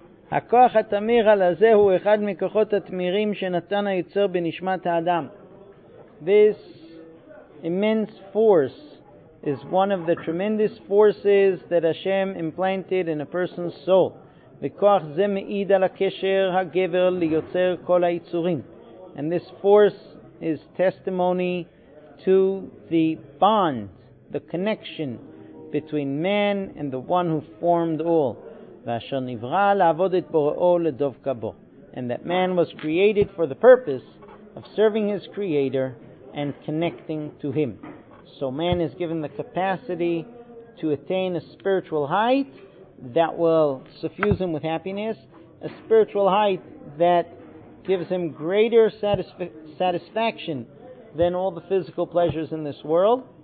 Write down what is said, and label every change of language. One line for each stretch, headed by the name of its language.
Hebrew: הכוח התמיר על הזה הוא אחד מכוחות התמירים שנתן היוצר בנשמת האדם.
English: This immense force is one of the tremendous forces that Hashem implanted in a person's soul.
Hebrew: וכוח זה מעיד על הקשר הגבר ליוצר כל היצורים.
English: And this force is testimony to the bond, the connection between man and the one who formed all.
Hebrew: ואשר נברא לעבוד את בוראו לדווקא בו.
English: And that man was created for the purpose of serving his creator and connecting to him. So man is given the capacity to attain a spiritual height that will suffuse him with happiness, a spiritual height that gives him greater satisfaction than all the physical pleasures in this world.